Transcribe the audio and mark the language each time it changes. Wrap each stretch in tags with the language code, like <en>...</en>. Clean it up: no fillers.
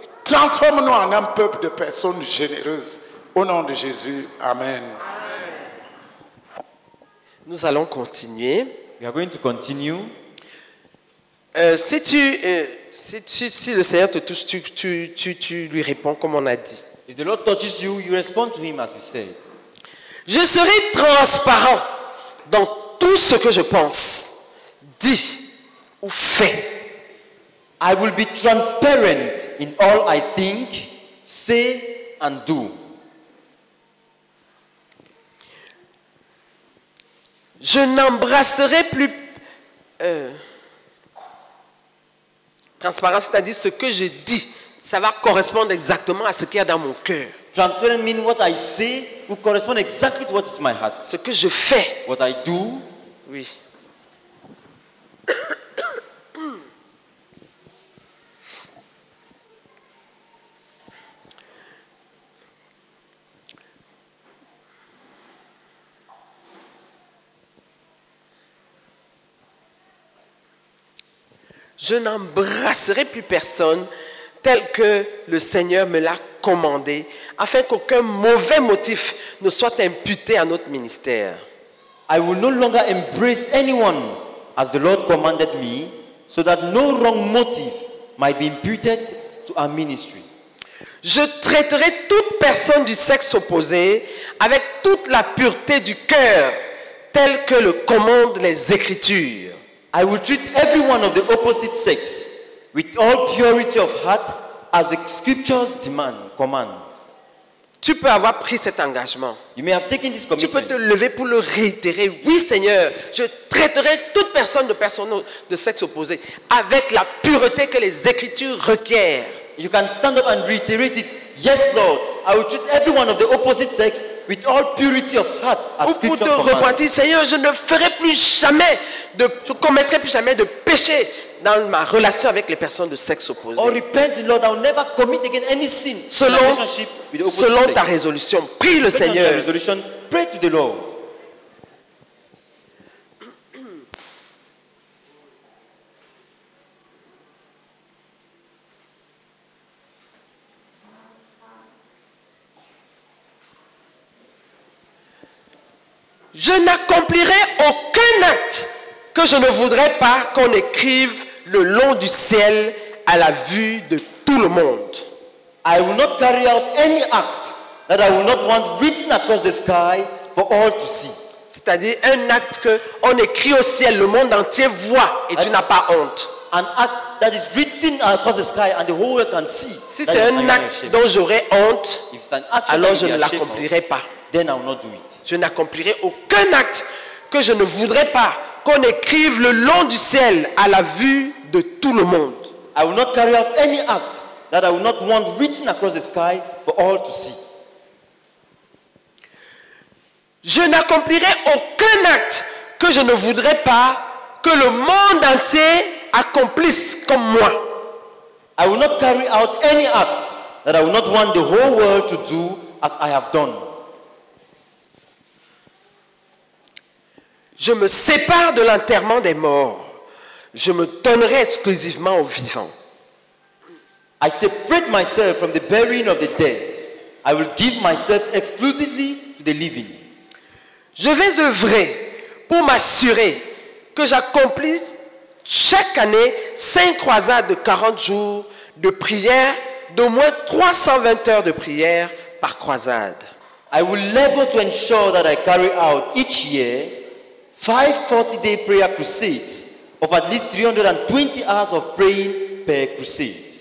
<fr>Transforme-nous en un peuple de personnes généreuses. Au nom de Jésus, amen. Nous allons continuer.</fr> <en>We are going to continue.</en> <fr>Si le Seigneur te touche, tu lui réponds comme on a dit.</fr> <en>If the Lord touches you, you respond to him as we said.</en> <fr>Je serai transparent dans tout ce que je pense, dis ou fais.</fr> <en>I will be transparent in all I think, say and do.</en> <fr>Je n'embrasserai plus transparence, c'est-à-dire ce que je dis, ça va correspondre exactement à ce qu'il y a dans mon cœur.</fr> <en>Transparent means what I say will correspond exactly to what is my heart.</en> <fr>Ce que je fais.</fr> <en>What I do.</en> <fr>Oui. Je n'embrasserai plus personne tel que le Seigneur me l'a commandé, afin qu'aucun mauvais motif ne soit imputé à notre ministère.</fr> <en>I will no longer embrace anyone as the Lord commanded me, so that no wrong motive might be imputed to our ministry.</en> <fr>Je traiterai toute personne du sexe opposé avec toute la pureté du cœur, telle que le commandent les Écritures.</fr> <en>I will treat everyone of the opposite sex with all purity of heart as the Scriptures demand, command.</en> <fr>Tu peux avoir pris cet engagement.</fr> <en>You may have taken this commitment.</en> <fr>Tu peux te lever pour le réitérer. Oui, Seigneur, je traiterai toute personne de sexe opposé avec la pureté que les Écritures requièrent.</fr> <en>You can stand up and reiterate it. Yes, Lord, I will treat everyone of the opposite sex with all purity of heart as Scripture commands.</en> <fr>Ou pour te repentir, Seigneur, je ne ferai plus jamais de, je commettrai plus jamais de péché dans ma relation avec les personnes de sexe opposé.</fr> <en>Or repent, Lord, I will never commit again any sin</en> <fr>selon,</fr> <en>in relationship with the opposite</en> <fr>selon</fr> <en>sex.</en> <fr>Ta résolution. Prie le Seigneur.</fr> <en>Depend on your resolution. Pray to the Lord.</en> <fr>Je n'accomplirai aucun acte que je ne voudrais pas qu'on écrive le long du ciel à la vue de tout le monde.</fr> <en>I will not carry out any act that I will not want written across the sky for all to see.</en> <fr>C'est-à-dire un acte que on écrit au ciel, le monde entier voit et that tu n'as pas honte.</fr> <en>An act that is written across the sky and the whole world can see.</en> <fr>Si c'est un acte dont j'aurai honte, alors je ne l'accomplirai pas.</fr> <en>Then I will not do it.</en> <fr>Je n'accomplirai aucun acte que je ne voudrais pas qu'on écrive le long du ciel à la vue de tout le monde.</fr> <en>I will not carry out any act that I will not want written across the sky for all to see.</en> <fr>Je n'accomplirai aucun acte que je ne voudrais pas que le monde entier accomplisse comme moi.</fr> <en>I will not carry out any act that I will not want the whole world to do as I have done.</en> <fr>Je me sépare de l'enterrement des morts. Je me donnerai exclusivement aux vivants.</fr> <en>I separate myself from the burying of the dead. I will give myself exclusively to the living.</en> <fr>Je vais œuvrer pour m'assurer que j'accomplisse chaque année 5 croisades de 40 jours de prière, d'au moins 320 heures de prière par croisade.</fr> <en>I will labor to ensure that I carry out each year 540-day prayer crusades of at least 320 hours of praying per crusade.</en>